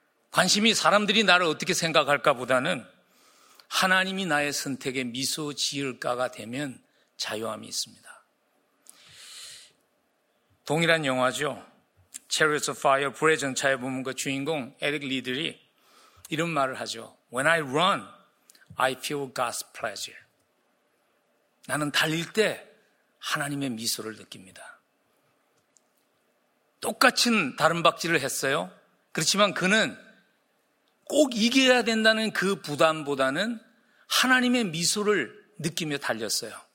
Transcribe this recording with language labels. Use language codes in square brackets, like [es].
[ko] 관심이 사람들이 나를 어떻게 생각할까보다는 하나님이 나의 선택에 미소 지을까가 되면 자유함이 있습니다. 동일한 영화죠. Chariots of Fire, 불의 전차에 보면 그 주인공 에릭 리들이 이런 말을 하죠. [en] When I run, I feel God's pleasure. [ko] 나는 달릴 때 하나님의 미소를 느낍니다. 똑같은 다름박질을 했어요. 그렇지만 그는 꼭 이겨야 된다는 그 부담보다는 하나님의 미소를 느끼며 달렸어요.